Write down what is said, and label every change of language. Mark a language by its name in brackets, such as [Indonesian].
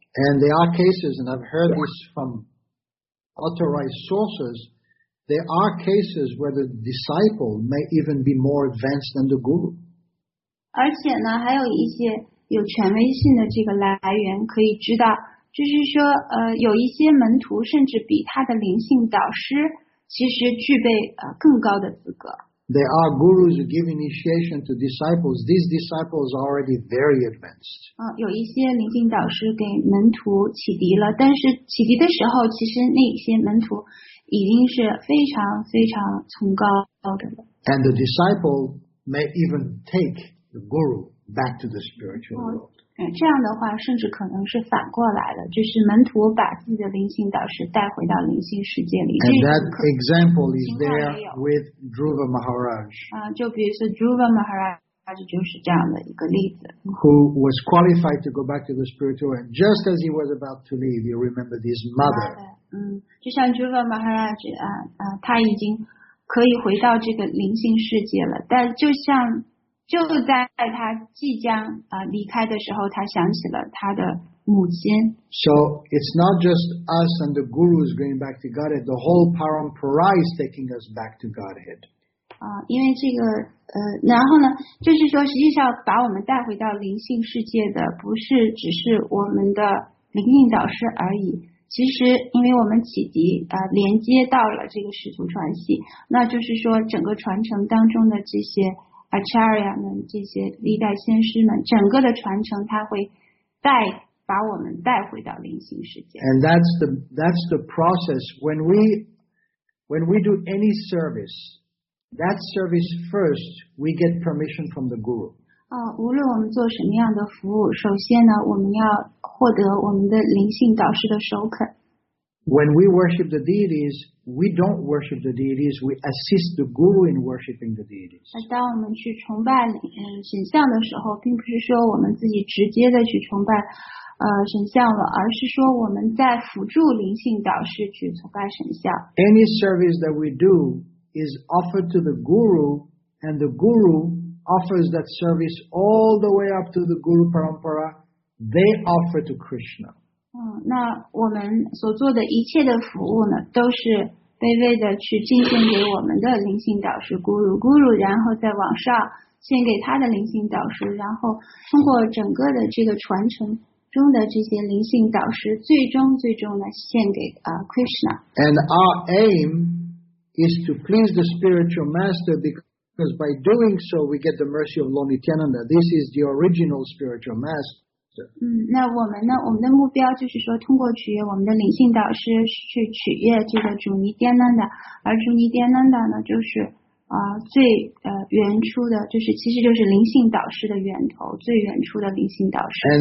[English] And there are cases, and I've heard this from authorized sources, there are cases where the disciple may even be more advanced than the guru. [Chinese] 而且呢，还有一些有权威性的这个来源可以知道。就是说有一些门徒甚至比他的灵性导师其实具备更高的资格。 [English] There are gurus who give initiation to disciples. These disciples are already very advanced. [Chinese] 有一些灵性导师给门徒启迪了，但是启迪的时候其实那些门徒已经是非常非常崇高的。 [English] And the disciple may even take the guru back to the spiritual world. [Chinese] 这样的话甚至可能是反过来的，就是门徒把自己的灵性导师带回到灵性世界里。 [English] And that example is there with Dhruva Maharaj. [Chinese] 就比如说 Dhruva Maharaj 就是这样的一个例子。 [English] Who was qualified to go back to the spiritual world just as he was about to leave. You remember his mother. [Chinese] 就像 Dhruva Maharaj, 他已经可以回到这个灵性世界了，但就像就在他即将离开的时候，他想起了他的母亲。 [English] So it's not just us and the gurus going back to Godhead. The whole parampara is taking us back to Godhead. [Chinese] 因为这个然后呢，就是说，实际上把我们带回到灵性世界的，不是只是我们的灵性导师而已。其实，因为我们启迪连接到了这个使徒传系，那就是说，整个传承当中的这些。 Acharya 们这些历代先师们整个的传承他会带把我们带回到灵性世界。 [English] And that's the process. When we do any service, that service first, we get permission from the guru. [Chinese] 无论我们做什么样的服务，首先呢，我们要获得我们的灵性导师的首肯。 [English] When we worship the deities, We don't worship the deities, we assist the guru in worshiping the deities. [Chinese] 当我们去崇拜神像的时候，并不是说我们自己直接的去崇拜神像了，而是说我们在辅助灵性导师去崇拜神像。 [English] Any service that we do is offered to the guru, and the guru offers that service all the way up to the guru parampara, they offer to Krishna. [Chinese] 那我们所做的一切的服务呢，都是卑微的去进献给我们的灵性导师 Guru， Guru 然后在网上献给他的灵性导师，然后通过整个的这个传承中的这些灵性导师，最终呢献给Krishna。 [English] And our aim is to please the spiritual master because by doing so we get the mercy of Lord Nityananda. This is the original spiritual master. [Chinese] 那我们呢，我们的目标就是说通过取悦我们的灵性导师去取悦这个主尼颠难的，而主尼颠难的呢就是最原初的，就是其实就是灵性导师的源头，最原初的灵性导师。